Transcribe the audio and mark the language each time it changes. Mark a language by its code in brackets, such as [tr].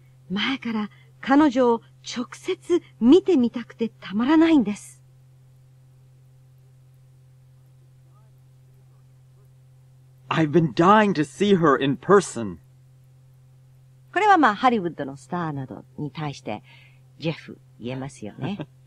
[ja] 前から彼女を直接見てみたくてたまらないんです。 [en] I've been dying to see her in person. [ja] これはまあハリウッドのスターなどに対してジェフ言えますよね。